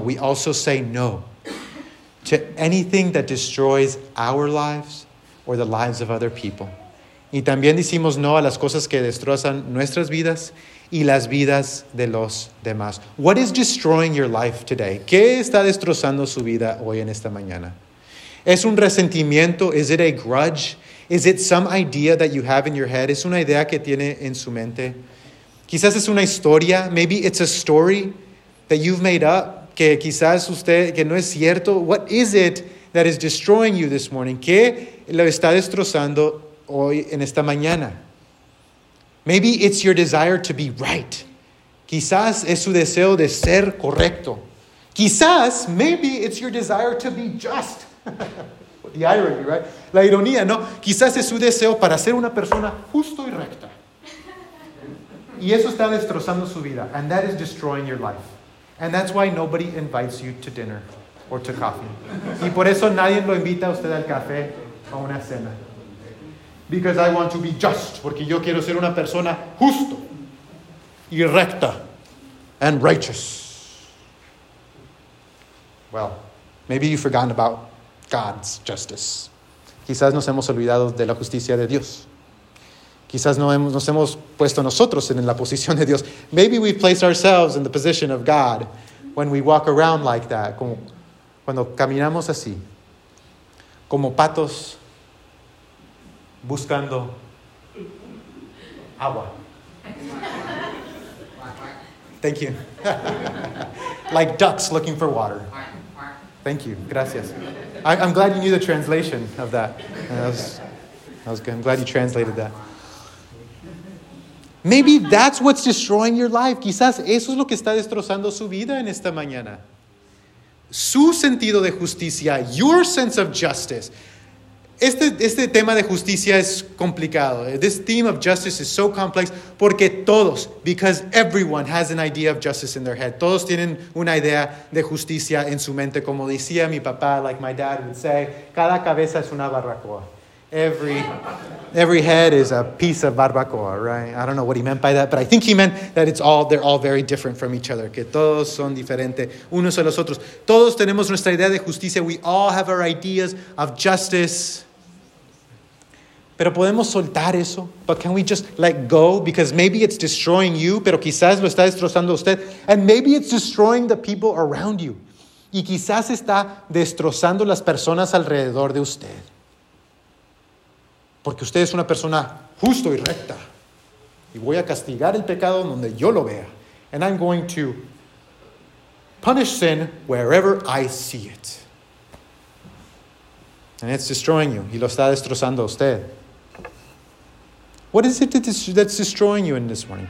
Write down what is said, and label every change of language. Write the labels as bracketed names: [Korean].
[English] We also say no to anything that destroys our lives or the lives of other people. [Spanish] Y también decimos no a las cosas que destrozan nuestras vidas y las vidas de los demás. [English] What is destroying your life today? [Spanish] ¿Qué está destrozando su vida hoy en esta mañana? ¿Es un resentimiento? [English] Is it a grudge? Is it some idea that you have in your head? [Spanish] ¿Es una idea que tiene en su mente? Quizás es una historia. [English] Maybe it's a story that you've made up. [Spanish] Que quizás usted, que no es cierto. [English] What is it that is destroying you this morning? [Spanish] ¿Qué lo está destrozando hoy en esta mañana? [English] Maybe it's your desire to be right. [Spanish] Quizás es su deseo de ser correcto. [English] Quizás, maybe it's your desire to be just. The irony, right? [Spanish] La ironía, ¿no? Quizás es su deseo para ser una persona justo y recta. Y eso está destrozando su vida. [English] And that is destroying your life. And that's why nobody invites you to dinner or to coffee. [Spanish] Y por eso nadie lo invita a usted al café o una cena. [English] Because I want to be just. [Spanish] Porque yo quiero ser una persona justo y recta [English] and righteous. Well, maybe you've forgotten about God's justice. [Spanish] Quizás nos hemos olvidado de la justicia de Dios. Quizás nos hemos puesto nosotros en la posición de Dios. [English] Maybe we've placed ourselves in the position of God when we walk around like that. [Spanish] Como cuando caminamos así, como patos buscando agua. [English] Thank you. Like ducks looking for water. Thank you. Gracias. I'm glad you knew the translation of that. That was good. I'm glad you translated that. Maybe that's what's destroying your life. [Spanish] Quizás eso es lo que está destrozando su vida en esta mañana. Su sentido de justicia, [English] your sense of justice. [Spanish] Este tema de justicia es complicado. [English] This theme of justice is so complex [Spanish] porque todos, [English] because everyone has an idea of justice in their head. [Spanish] Todos tienen una idea de justicia en su mente. Como decía mi papá, [English] like my dad would say, [Spanish] cada cabeza es una barbacoa. [English] every head is a piece of barbacoa, right? I don't know what he meant by that, but I think he meant that they're all very different from each other. [Spanish] Que todos son diferentes unos a los otros. Todos tenemos nuestra idea de justicia. [English] We all have our ideas of justice. [Spanish] Pero podemos soltar eso? [English] But can we just let go? Because maybe it's destroying you, [Spanish] pero quizás lo está destrozando usted. [English] And maybe it's destroying the people around you. [Spanish] Y quizás está destrozando las personas alrededor de usted. Porque usted es una persona justo y recta. Y voy a castigar el pecado donde yo lo vea. [English] And I'm going to punish sin wherever I see it. And it's destroying you. [Spanish] Y lo está destrozando a usted. [English] What is it that's destroying you in this morning?